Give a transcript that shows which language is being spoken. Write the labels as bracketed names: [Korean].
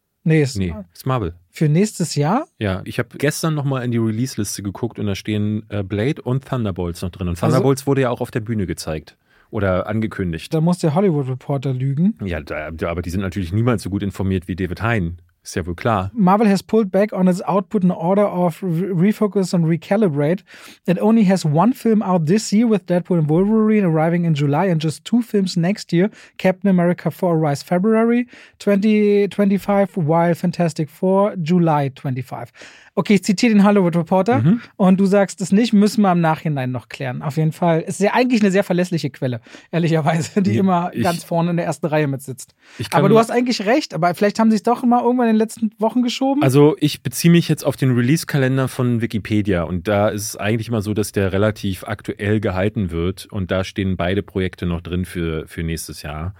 [German] Nee, ist Marvel. Für nächstes Jahr? Ja, ich habe gestern nochmal in die Release-Liste geguckt und da stehen Blade und Thunderbolts noch drin. Und Thunderbolts wurde ja auch auf der Bühne gezeigt oder angekündigt. Da muss der Hollywood Reporter lügen. Ja, aber die sind natürlich niemals so gut informiert wie David Hein. Ist ja wohl klar. [English] Marvel has pulled back on its output in order of refocus and recalibrate. It only has one film out this year with Deadpool and Wolverine arriving in July and just two films next year. Captain America 4 arrives February 2025, while Fantastic Four July 25. [German] Okay, ich zitiere den Hollywood Reporter und du sagst es nicht, müssen wir im Nachhinein noch klären. Auf jeden Fall. Es ist ja eigentlich eine sehr verlässliche Quelle, ehrlicherweise, die immer ganz vorne in der ersten Reihe mit sitzt. Aber du hast eigentlich recht, aber vielleicht haben sie es doch mal irgendwann in den letzten Wochen geschoben? Also ich beziehe mich jetzt auf den Release-Kalender von Wikipedia und da ist es eigentlich immer so, dass der relativ aktuell gehalten wird und da stehen beide Projekte noch drin für nächstes Jahr.